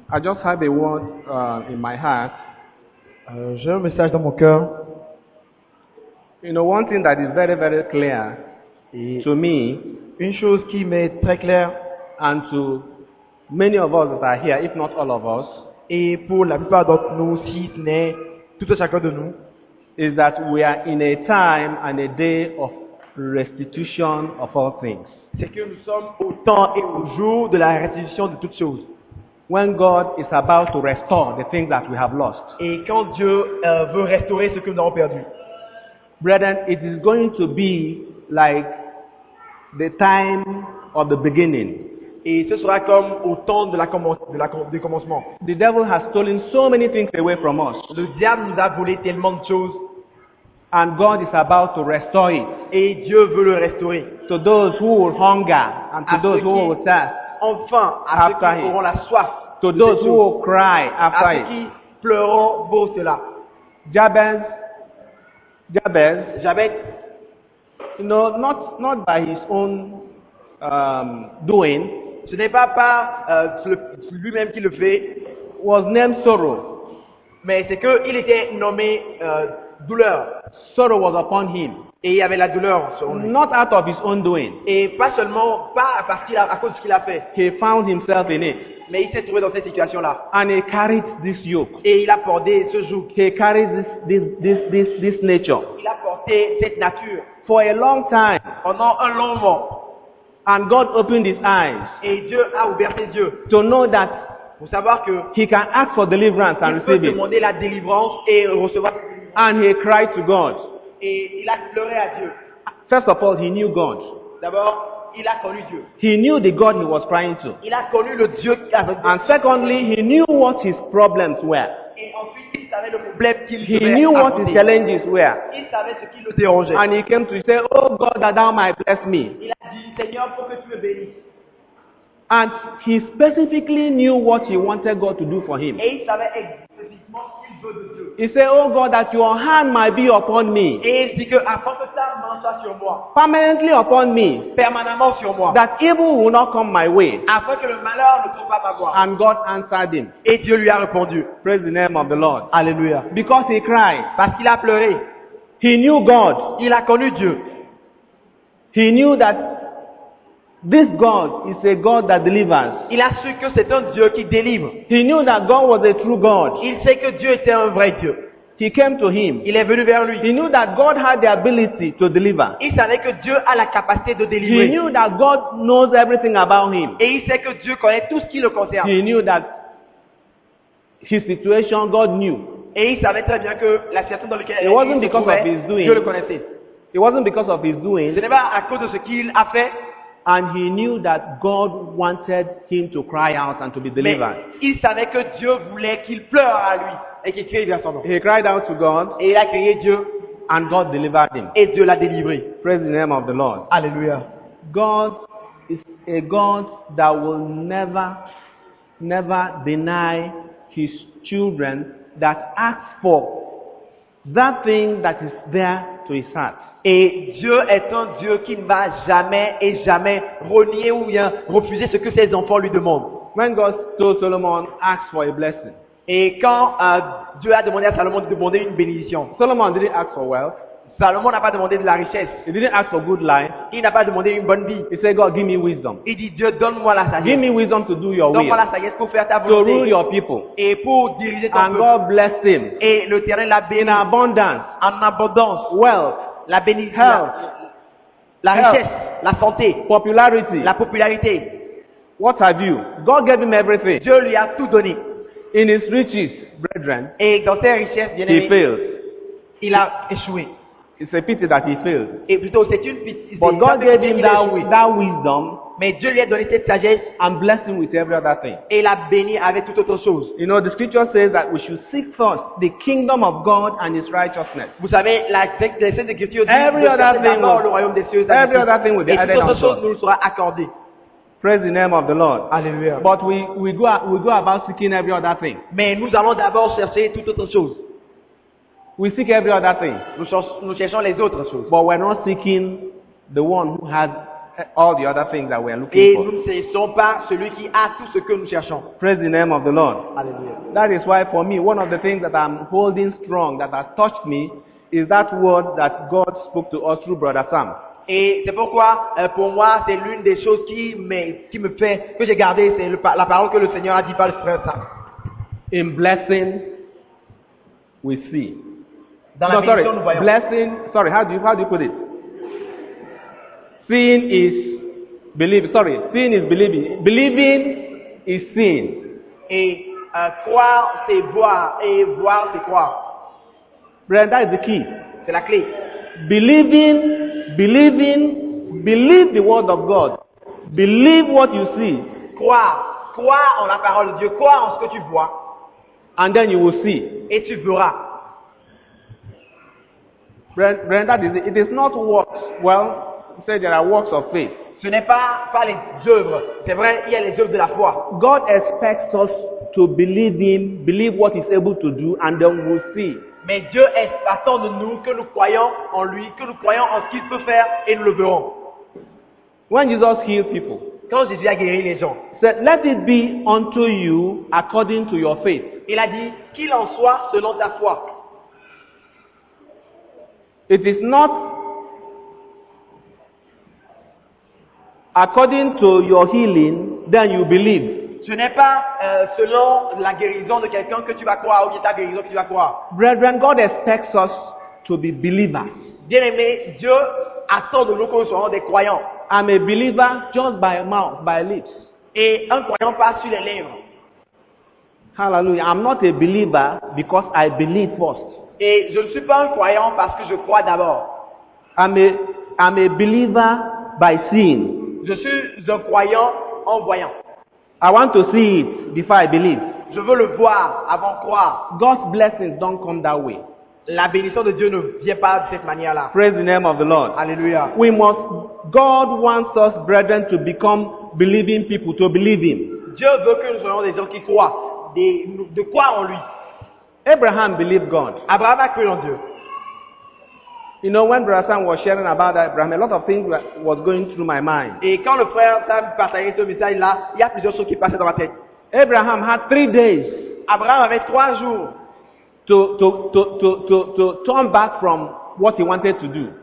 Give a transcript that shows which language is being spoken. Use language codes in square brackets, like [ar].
[en] I just have a word in my heart. [fr] J'ai un message dans mon cœur. [en] You know, one thing that is very, very clear to me, [fr] une chose qui m'est très claire, [en] and to many of us that are here, if not all of us, [fr] et pour la plupart d'entre nous, si ce n'est tout et chacun de nous, [en] is that we are in a time and a day of restitution of all things. [fr] C'est que nous sommes au temps et au jour de la restitution de toutes choses. [en] When God is about to restore the things that we have lost. [fr] Et quand Dieu veut restaurer ce que nous avons perdu. [en] Brethren, it is going to be like the time of the beginning. [fr] Et ce sera comme au temps du commencement. [en] The devil has stolen so many things away from us. [fr] Le diable nous a volé tellement de choses. [en] And God is about to restore it. [fr] Et Dieu veut le restaurer. [en] To those who will hunger and to those who will thirst. [fr] Enfin, à ceux qui auront la soif. [en] To those who will cry after it. [fr] À ceux qui pleureront pour cela. [en] Jabez, you know, not by his own doing. [fr] Ce n'est pas par lui-même qui le fait. [en] Was named sorrow. [fr] Mais c'est qu'il était nommé douleur. [en] Sorrow was upon him. [fr] Et il y avait la douleur sur lui. [en] Not out of his own doing. [fr] Et pas seulement, pas à partir à cause de ce qu'il a fait. [en] He found himself in it. [fr] Mais il s'est trouvé dans cette situation-là. [en] And he carried this yoke. [fr] Et il a porté ce joug. [en] He carried this nature. [fr] Il a porté cette nature. [en] For a long time. [fr] Pendant un long moment. [en] And God opened his eyes. [fr] Et Dieu a ouvert ses yeux. [en] To know that. [fr] Pour savoir que. [en] He can ask for deliverance and receive it. [fr] Il peut demander la délivrance et recevoir. [en] And he cried to God. [fr] Et il a pleuré à Dieu. [en] First of all, he knew God. [fr] D'abord, il a connu Dieu. [en] He knew the God he was crying to. [fr] Il a connu le Dieu qui avait. [en] And secondly, he knew what his problems were. [fr] Et ensuite, il savait le problème qu'il [en] he knew what [fr] aborder. [en] His challenges were. [fr] Il savait ce qui le dérangeait. [en] And he came to say, oh God, that thou might bless me. [fr] Il a dit, Seigneur, pour que tu me bénisses. [en] And he specifically knew what he wanted God to do for him. [fr] Et il savait ce [en] He said, oh God, that your hand might be upon me. [fr] Et dit que afin que ta main soit sur moi. [en] Permanently upon me. [fr] Permanemment sur moi. [en] That evil will not come my way. [fr] Afin que le malheur ne tombe pas ma voie. [en] And God answered him. [fr] Et Dieu lui a répondu. [en] Praise the name of the Lord. [fr] Alléluia. [en] Because he cried. [fr] Parce qu'il a pleuré. [en] He knew God. [fr] Il a connu Dieu. [en] He knew that this God is a God that delivers. [fr] Il a su que c'est un Dieu qui délivre. [en] He knew that God was a true God. [fr] Il sait que Dieu était un vrai Dieu. [en] He came to him. [fr] Il est venu vers lui. [en] He knew that God had the ability to deliver. [fr] Il savait que Dieu a la capacité de délivrer. [en] He knew that God knows everything about him. [fr] Et il sait que Dieu connaît tout ce qui le concerne. [en] He knew that his situation, God knew. [fr] Et il savait très bien que la situation dans laquelle [en] it wasn't because [fr] trouvait, [en] of his doing. [fr] Dieu le connaissait. [en] It wasn't because of his doing. [fr] Ce n'est pas à cause de ce qu'il a fait. [en] And he knew that God wanted him to cry out and to be delivered. [fr] Mais il savait que Dieu voulait qu'il pleure à lui et qu'il crie vers son nom. [en] He cried out to God. [fr] Et il a crié Dieu. [en] And God delivered him. [fr] Et Dieu l'a délivré. [en] Praise the name of the Lord. [fr] Alléluia. [en] God is a God that will never, never deny his children that ask for that thing that is there to his heart. [fr] Et Dieu est un Dieu qui ne va jamais et jamais renier ou bien refuser ce que ses enfants lui demandent. [en] When God told Solomon, ask for a blessing. [fr] Et quand Dieu a demandé à Salomon de demander une bénédiction. [en] Solomon didn't ask for wealth. [fr] Salomon n'a pas demandé de la richesse. [en] He didn't ask for good life. [fr] Il n'a pas demandé une bonne vie. [en] He said, God, give me wisdom. [fr] Il dit, Dieu, donne-moi la sagesse. [en] Give me wisdom to do your will. [fr] Donne-moi la sagesse pour faire ta volonté. [en] To rule your people. [fr] Et pour diriger ton [en] and [fr] peuple. [en] And God blessed him. [fr] Et le terrain l'a béni. [en] In abundance. [fr] En abondance. [en] Wealth. [fr] La bénédiction, la richesse, la santé, [en] popularity. [fr] La popularité. [en] What have you? God gave him everything. [fr] Dieu lui a tout donné. [en] In his riches, brethren, [fr] et dans ses richesses, bien [en] he failed. [fr] Il a échoué. [en] It's a pity that he failed. [fr] Et plutôt, c'est une pitié. [en] But God gave him that wisdom. [fr] Mais Dieu lui a donné cette sagesse. [en] And blessed him with every other thing. [fr] Et l'a béni avec toute autre chose. [en] You know, the scripture says that we should seek first the kingdom of God and his righteousness. [fr] Vous savez, la scripture dit que [en] every other thing will be added unto us. Every other thing will be added unto us. [fr] Toute autre chose nous sera accordée. [en] Praise the name of the Lord. [fr] Alléluia. [en] But we go about seeking every other thing. [fr] Mais nous allons d'abord chercher toute autre chose. [en] We seek every other thing. [fr] Nous cherchons les autres choses. [en] But we're not seeking the one who has all the other things that we are looking [fr] et [en] for. [fr] Et nous ne cherchons pas celui qui a tout ce que nous cherchons. [en] Praise the name of the Lord. [fr] Alléluia. [en] That is why for me, one of the things that I'm holding strong, that has touched me, is that word that God spoke to us through Brother Sam. [fr] Et c'est pourquoi, pour moi, c'est l'une des choses qui me fait, que j'ai gardé, c'est la parole que le Seigneur a dit par le frère Sam. [en] In blessing, we see. [fr] Dans la bénédiction, nous voyons. [en] Blessing, sorry, how do you put it? Seeing is believing. Sorry, seeing is believing. Believing is seeing. [fr] Et croire, c'est voir. Et voir, c'est croire. [en] Brand, that is the key. [fr] C'est la clé. [en] Believing, believe the word of God. Believe what you see. [fr] Croire en la parole de Dieu. Croire en ce que tu vois. [en] And then you will see. [fr] Et tu verras. [en] Brand, that is it. It is not works. Well, say there are works of faith. [fr] Ce n'est pas les œuvres. C'est vrai, il y a les œuvres de la foi. [en] God expects us to believe Him, believe what He's able to do, and then we'll see. [fr] Mais Dieu attend de nous que nous croyons en Lui, que nous croyons en ce qu'Il peut faire, et nous le verrons. [en] When Jesus healed people, [fr] quand Jésus a guéri les gens, [en] said, "Let it be unto you according to your faith." [fr] Il a dit qu'il en soit selon ta foi. [en] It is not according to your healing, then you believe. [fr] Ce n'est pas selon la guérison de quelqu'un que tu vas croire ou bien ta guérison que tu vas croire. [en] Brethren, God expects us to be believers. [fr] Bien-aimés, Dieu attend de nous que nous soyons des croyants. [en] I'm a believer just by mouth, by lips. [fr] Et un croyant pas sur les lèvres. [en] Hallelujah. I'm not a believer because I believe first. [fr] Et je ne suis pas un croyant parce que je crois d'abord. [en] I'm a believer by seeing. [fr] Je suis un croyant en voyant. [en] I want to see it before I believe. [fr] Je veux le voir avant de croire. [en] God's blessings don't come that way. [fr] La bénédiction de Dieu ne vient pas de cette manière-là. [en] Praise the name of the Lord. [fr] Alléluia. [en] We must. God wants us, brethren, to become believing people, to believe Him. [fr] Dieu veut que nous soyons des gens qui croient, de croire en Lui. [en] Abraham believed God. [fr] Abraham a cru en Dieu. [en] You know, when Brother Sam was sharing about Abraham, a lot of things was going through my mind. [fr] Et quand le frère Sam partageait ce message là, il y a plusieurs choses qui passaient dans ma tête. [en] Abraham had 3 days. [fr] Abraham avait 3 jours. [en] To turn back from what he wanted to do.